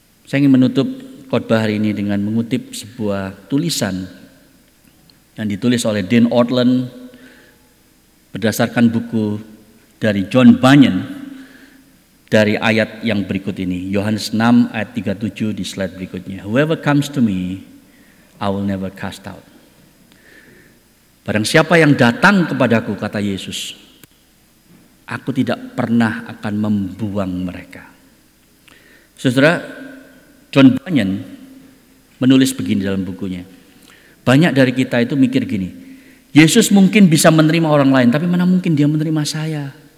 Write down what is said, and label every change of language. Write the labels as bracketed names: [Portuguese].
[Indonesian] Saya ingin menutup khotbah hari ini dengan mengutip sebuah tulisan yang ditulis oleh Dean Ortlund berdasarkan buku dari John Bunyan dari ayat yang berikut ini. Yohanes 6 ayat 37 di slide berikutnya. [English] Whoever comes to me, I will never cast out. [Indonesian] Barang siapa yang datang kepadaku, kata Yesus, aku tidak pernah akan membuang mereka. Saudara, John Bunyan menulis begini dalam bukunya. Banyak dari kita itu mikir gini, Yesus mungkin bisa menerima orang lain, tapi mana mungkin dia menerima saya.